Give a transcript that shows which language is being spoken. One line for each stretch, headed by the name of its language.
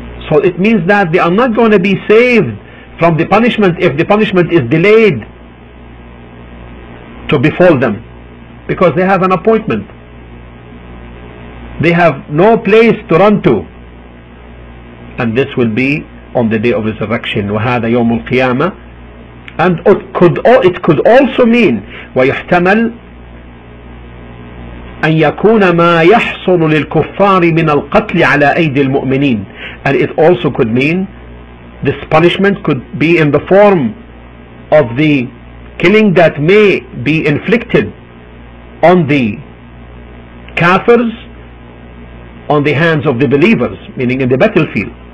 English: So it means that they are not going to be saved from the punishment if the punishment is delayed to befall them, because they have an appointment, they have no place to run to, and this will be on the day of resurrection,
Arabic: وهذا يوم القيامة.
English: And it could also mean,
Arabic: ويحتمل أن يكون ما يحصل للكفار من القتل على أيدي المؤمنين.
English: And it also could mean this punishment could be in the form of the killing that may be inflicted on the kafirs on the hands of the believers, meaning in the battlefield.